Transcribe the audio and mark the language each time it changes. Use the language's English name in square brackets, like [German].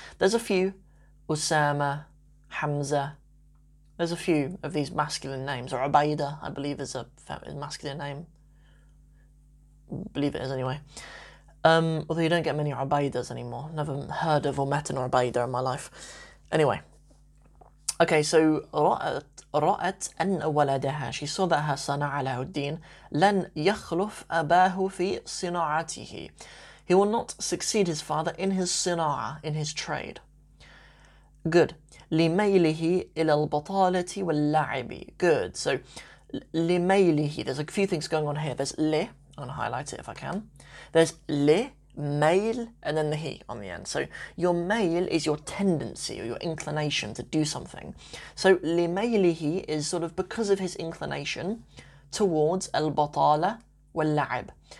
[English] There's a few, Usama, Hamza, there's a few of these masculine names, or Ubaida, I believe is a masculine name. Believe it is anyway. Although you don't get many Ubaidas anymore. Never heard of or met an Ubaida in my life. Anyway. Okay, so [Arabic] رأت أن ولدها. [English] She saw that her son Alauddin [Arabic] لن يخلف أباه في صناعته. [English] He will not succeed his father in his صناعة, in his trade. Good. [Arabic] لميله إلى البطالة واللعب. [English] Good. So لميله. There's a few things going on here. There's ل. I'm going to highlight it if I can. There's li, male, and then the he on the end. So your male is your tendency or your inclination to do something. So li mailihi is sort of because of his inclination towards al-batala wal-la'ib.